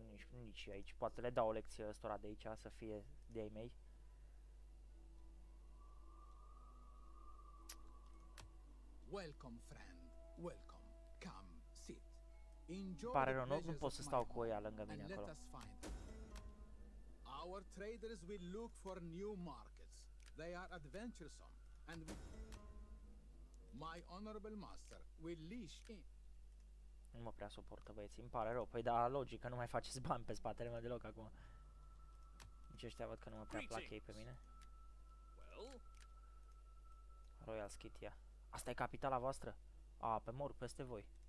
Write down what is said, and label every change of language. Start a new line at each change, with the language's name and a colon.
Romanian: Nici aici. Poate le dau o lecție ăstora de aici, să fie de ai mei.
English: Welcome, friend. Welcome. Come, sit. Enjoy.
Romanian: Pare rău, nu pot să stau cu ea lângă mine acolo.
English: Our traders will look for new markets. They are adventuresome and my honorable master will leash in.
Romanian: Nu mă prea suportă, băieții, îmi pare rău. Păi da, logic, că nu mai faceți bani pe spatele meu deloc acum. Nici ăștia văd că nu mă prea plac ei pe mine. Royal Scythia. Asta e capitala voastră? A, pe morg, peste voi.